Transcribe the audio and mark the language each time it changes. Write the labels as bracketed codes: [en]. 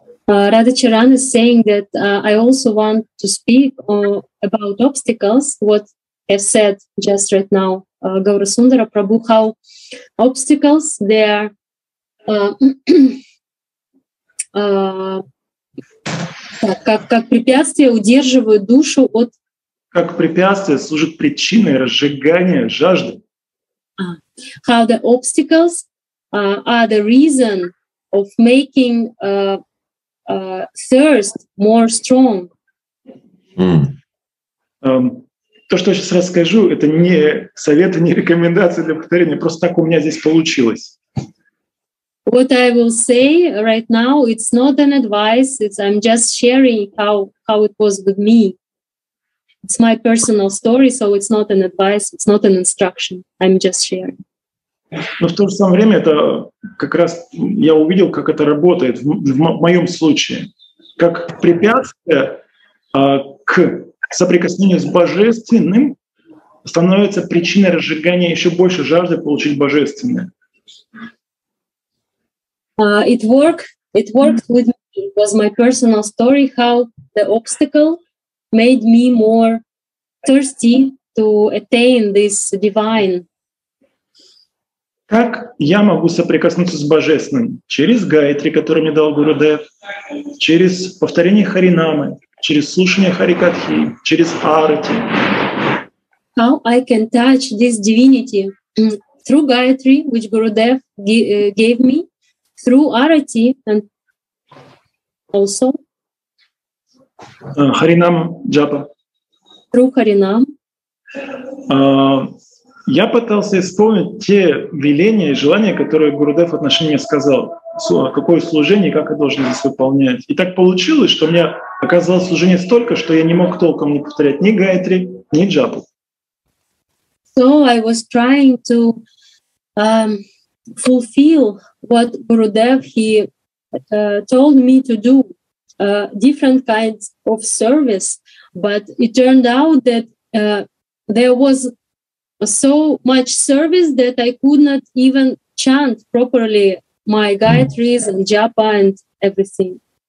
[en] Radha Charan is saying that I also want to speak about obstacles, what I said just right now, Gaura Sundara Prabhu, how obstacles, they are [ru] как препятствия удерживают душу от... Как препятствия служат причиной разжигания жажды. [en] How the obstacles are the reason of making thirst more strong. [ru] То, что я сейчас расскажу, это не советы, не рекомендации для повторения. Просто так у меня здесь получилось. [en] What I will say right now, it's not an advice. It's I'm just sharing how it was with me. It's my personal story, so it's not an advice, it's not an instruction. I'm just sharing. [ru] Но в то же самое время это как раз я увидел, как это работает в моем случае, как препятствие к соприкосновению с божественным становится причиной разжигания еще больше жажды получить божественное. [en] It worked with me. It was my personal story, how the obstacle made me more thirsty to attain this divine. [ru] Как я могу соприкоснуться с Божественным? Через Гайтри, который мне дал Гуру Дев, через повторение Харинамы, через слушание Харикатхи, через Арати. [en] How I can touch this divinity through Gayatri, which Guru Dev gave me, through Arati and also [ru] Харинам Джапа. [en] Through [ru] Харинам. Я пытался исполнить те веления и желания, которые Гурудев в отношении меня сказал, какое служение и как я должен здесь выполнять. И так получилось, что у меня оказалось служение столько, что я не мог толком не повторять ни Гайтри, ни Джапу. [en] So I was trying to fulfill what Gurudev he told me to do, different kinds of service, but it turned out that there was so much service that I could not even chant properly my Gayatris and Japa and everything.